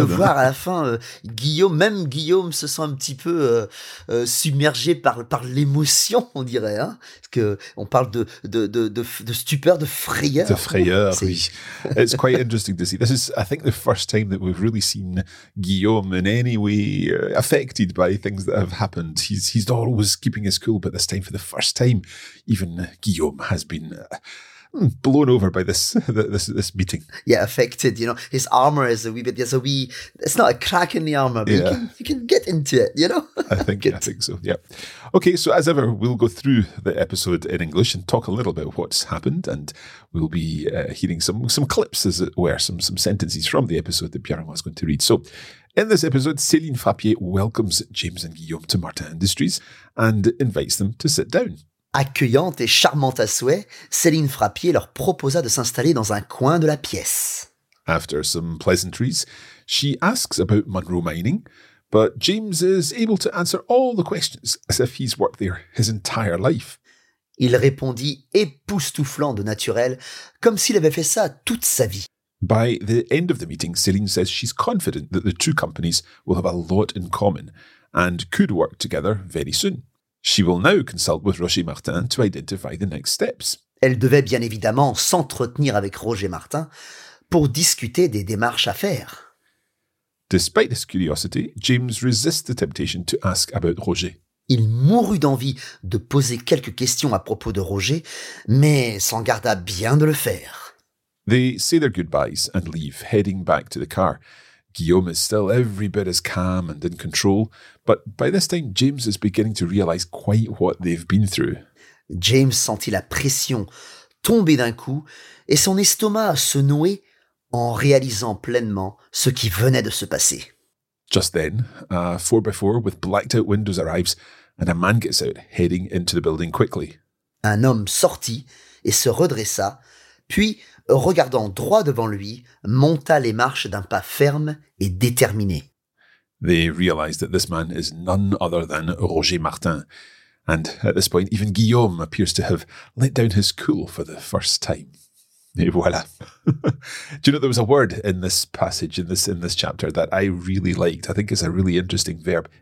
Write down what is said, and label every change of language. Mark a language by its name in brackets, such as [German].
[French] de voir à la fin, Guillaume se sent un petit peu submergé par l'émotion, on dirait, hein, parce qu'on parle de stupeur, de frayeur. De frayeur, oui. [English] It's quite interesting to see. This is, I think, the first time that we've really seen Guillaume in any way affected by things that have happened. He's always keeping his cool, but this time, for the first time, even Guillaume has been... blown over by this meeting. Yeah, affected, you know. His armor is a wee bit, there's a wee, it's not a crack in the armor, but you can get into it, you know. I think so, yeah. Okay, so as ever, we'll go through the episode in English and talk a little bit about what's happened, and we'll be hearing some clips, as it were, some sentences from the episode that Pierre was going to read. So, in this episode, Céline Frappier welcomes James and Guillaume to Martin Industries and invites them to sit down. [French] Accueillante et charmante à souhait, Céline Frappier leur proposa de s'installer dans un coin de la pièce. [English] After some pleasantries, she asks about Monroe Mining, but James is able to answer all the questions as if he's worked there his entire life. [French] Il répondit époustouflant de naturel, comme s'il avait fait ça toute sa vie. [English] By the end of the meeting, Céline says she's confident that the two companies will have a lot in common and could work together very soon. She will now consult with Roger Martin to identify the next steps. [French] Elle devait bien évidemment s'entretenir avec Roger Martin pour discuter des démarches à faire. [English] Despite his curiosity, James resists the temptation to ask about Roger. [French] Il mourut d'envie de poser quelques questions à propos de Roger, mais s'en garda bien de le faire. [English] They say their goodbyes and leave, heading back to the car. Guillaume is still every bit as calm and in control, but by this time, James is beginning to realise quite what they've been through. [French] James sentit la pression tomber d'un coup et son estomac se nouer en réalisant pleinement ce qui venait de se passer. [English] Just then, a 4x4 with blacked-out windows arrives and a man gets out, heading into the building quickly. [French] Un homme sortit et se redressa, puis, regardant droit devant lui, monta les marches d'un pas ferme et déterminé. [English] They realise that this man is none other than Roger Martin. And at this point, even Guillaume appears to have let down his cool for the first time. [French] Et voilà. [English] Do you know, there was a word in this passage, in this chapter, that I really liked. I think it's a really interesting verb.